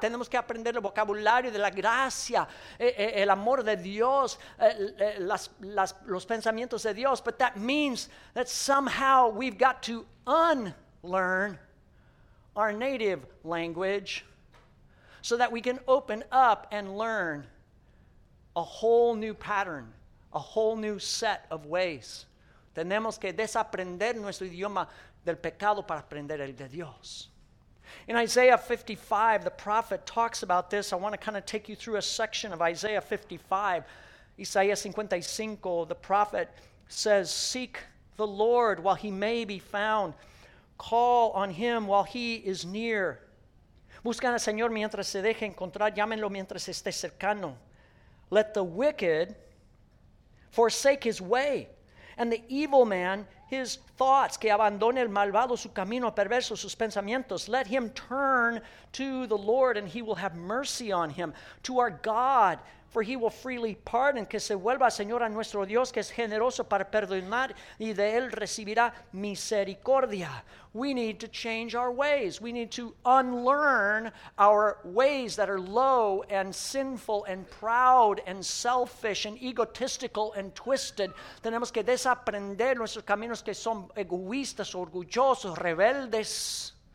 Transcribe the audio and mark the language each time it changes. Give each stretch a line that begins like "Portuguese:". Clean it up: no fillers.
Spanish: Tenemos que aprender el vocabulario de la gracia, el amor de Dios, los pensamientos de Dios.
English: But that means that somehow we've got to unlearn our native language so that we can open up and learn a whole new pattern, a whole new set of ways.
Spanish: Tenemos que desaprender nuestro idioma del pecado para aprender el de Dios.
English: In Isaiah 55, the prophet talks about this. I want to kind of take you through a section of Isaiah 55. Isaiah 55, the prophet says, "Seek the Lord while he may be found. Call on him while he is near."
Spanish: Buscan al Señor mientras se deje encontrar. Llámenlo mientras esté cercano.
English: "Let the wicked forsake his way, and the evil man his thoughts."
Spanish: Que abandone el malvado su camino perverso, sus pensamientos.
English: "Let him turn to the Lord, and he will have mercy on him. To our God, for he will freely pardon."
Spanish: Que se vuelva, Señor, a nuestro Dios, que es generoso para perdonar, y de él recibirá misericordia.
English: We need to change our ways. We need to unlearn our ways that are low and sinful and proud and selfish and egotistical and twisted.
Spanish: Tenemos que desaprender nuestros caminos que son egoístas, orgullosos, rebeldes.